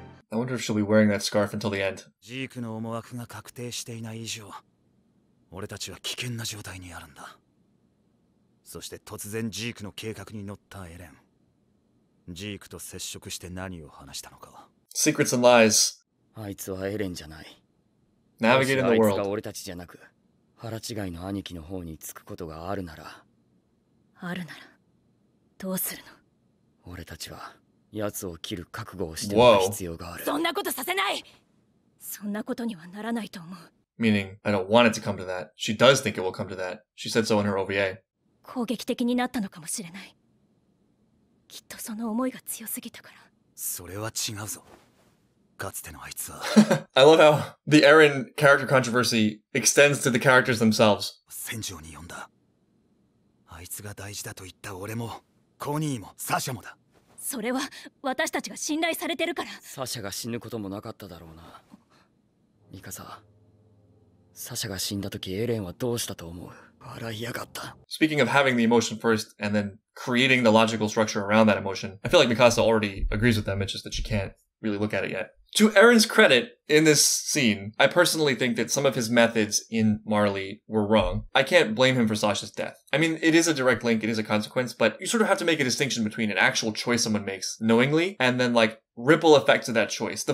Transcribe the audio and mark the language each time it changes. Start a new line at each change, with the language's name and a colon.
English: I wonder if she'll be wearing that scarf until the end.
Japanese: ジークの思惑が確定していない以上、俺たちは危険な状態にあるんだ。そして突然ジークの計画に乗ったエレン。ジークと接触して何を話したのか。
English: Secrets and lies.
Japanese: あいつはエレンじゃない。
English: Navigating the world.
Japanese: あいつが俺たちじゃなく、腹違いの兄貴の方に着くことがあるなら、あるならどうするの。俺たちは奴を切る覚悟をしておく必要がある。そんなことさせない。そんなことにはならないと思う。
English: Meaning, I don't want it to come to that. She does think it will come to that. She said so in her OVA.
Japanese: 攻撃的になったのかもしれない。きっとその思いが強すぎたから。それは違うぞ。かつてのあいつは。
English: I love how the Eren character controversy extends to the characters themselves.
Japanese: 戦場に呼んだ。あいつが大事だと言った俺も、コニーも、サシャもだ。それは私たちが信頼されてるから。サシャが死ぬこともなかっただろうな。ミカサ。サシャが死んだ時エレンはどうしたと思う？笑いやがった。
English: Speaking of having the emotion first and then creating the logical structure around that emotion, I feel like Mikasa already agrees with them, it's just that she can't really look at it yet. To Eren's credit in this scene, I personally think that some of his methods in Marley were wrong. I can't blame him for Sasha's death. I mean, it is a direct link, it is a consequence, but you sort of have to make a distinction between an actual choice someone makes knowingly and then like ripple effects of that choice.